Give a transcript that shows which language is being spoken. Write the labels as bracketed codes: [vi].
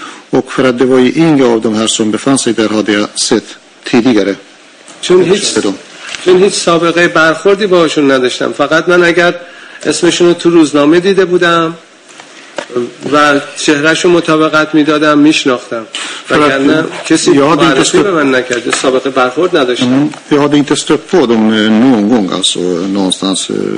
[sv] Och för att det var ju inga av de här som befann sig där hade jag sett tidigare. [fa] چون هیچ سابقه برخوردی باهاشون نداشتم. فقط من اگر اسمشون رو تو روزنامه دیده بودم و چهرهشو مطابقت میدادم میشناختم. وگرنه کسی معرفی به من نکرد. سابقه برخورد نداشتم. [sv] Jag hade inte stött på dem någon gång alltså någonstans.